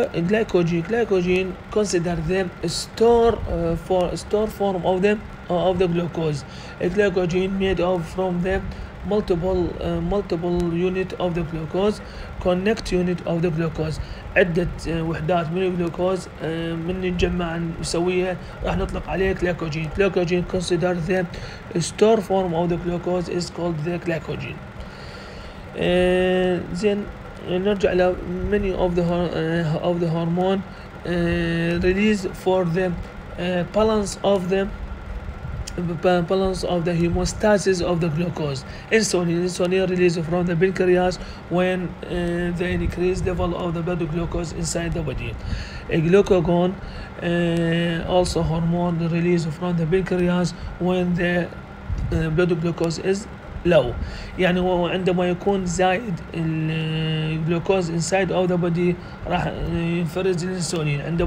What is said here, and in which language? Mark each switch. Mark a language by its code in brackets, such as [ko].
[en] Glycogen consider them store form of them of the glucose. Glycogen made of from the multiple unit of the glucose, connect unit of the glucose. [ar] عدة وحدات من الجلوكوز من نجمع نسويها راح نطلق عليه glycogen. [en] Glycogen consider the store form of the glucose is called the glycogen. Then [ar] نرجع إلى [en] many of the hormone release for the balance of the hemostasis of the glucose. Insulin release from the pancreas when the increased level of the blood glucose inside the body. A glucagon also hormone release from the pancreas when the blood glucose is low. [ar] يعني عندما يكون زايد الجلوكوز [en] inside of the body [ar] راح ينفرز الانسولين.